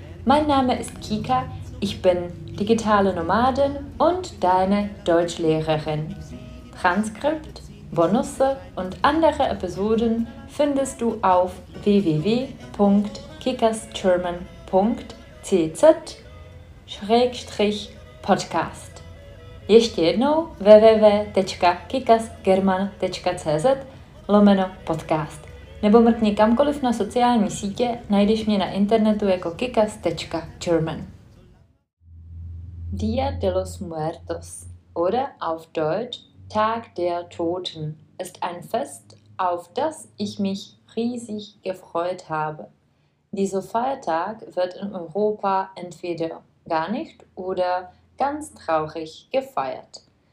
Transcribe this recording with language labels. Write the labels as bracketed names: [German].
[German] Mein Name ist Kika, ich bin digitale Nomadin und deine Deutschlehrerin. Transkript, Bonusse und andere Episoden findest du auf www.kikasgerman.cz/podcast. [Czech] Ještě jednou www.kikasgerman.cz/podcast. Nebo mrkni kamkoliv na sociální sítě, najdeš mě na internetu jako kikas.german. [German] Dia de los Muertos oder auf Deutsch Tag der Toten ist ein Fest, auf das ich mich riesig gefreut habe. Dieser Feiertag wird in Europa entweder gar nicht oder ganz traurig gefeiert.